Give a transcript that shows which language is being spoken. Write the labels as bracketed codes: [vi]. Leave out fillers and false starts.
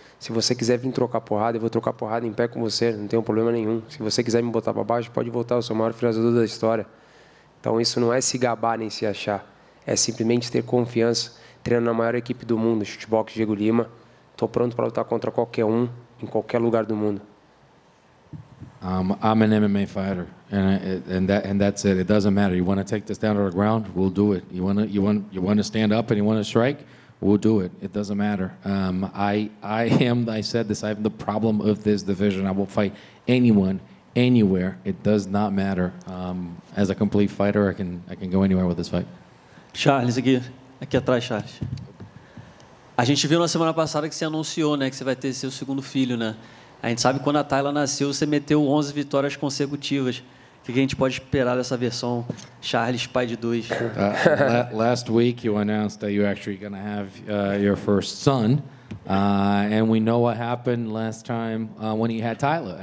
[pt] Se você quiser vir trocar porrada, eu vou trocar porrada em pé com você, não tenho problema nenhum. Se você quiser me botar para baixo, pode voltar, eu sou o maior finalizador da história. Então isso não é se gabar nem se achar, é simplesmente ter confiança, treino na maior equipe do mundo, Shootbox Diego Lima. Estou pronto para lutar contra qualquer um, em qualquer lugar do mundo. [en] I'm an MMA fighter, and that's it. It doesn't matter. You want to take this down to the ground, we'll do it. You want to stand up and you want to strike, we'll do it. It doesn't matter. I have the problem of this division. I will fight anyone, anywhere. It does not matter. As a complete fighter, I can go anywhere with this fight. [pt] Charles, aqui atrás, Charles. A gente viu na semana passada que você anunciou, né, que você vai ter seu segundo filho, né? A gente sabe que quando a Tayla nasceu, você meteu 11 vitórias consecutivas. O que a gente pode esperar dessa versão Charles pai de dois? [en] Last week you announced that you're actually going to have your first son. And we know what happened last time when you had Tayla.